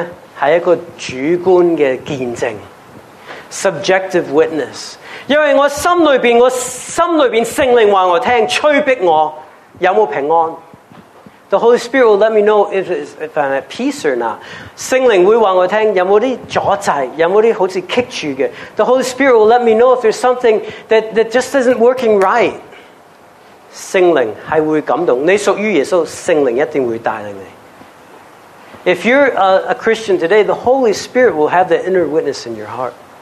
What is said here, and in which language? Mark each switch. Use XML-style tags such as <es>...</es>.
<zh>圣灵的印证是一个主观的见证。</zh> <en>Subjective witness.</en> <zh>因为我心里边圣灵告诉我，催逼我有没有平安。</zh> <en>The Holy Spirit will let me know if I'm at peace or not.</en> <zh>圣灵会告诉我，有没有阻滞，有没有好像卡住的。</zh> <en>The Holy Spirit will let me know if there's something that just isn't working right.</en> <zh>圣灵是会感动，你属于耶稣，圣灵一定会带领你。</zh> <en>If you're a Christian today, the Holy Spirit will have the inner witness in your heart.</en>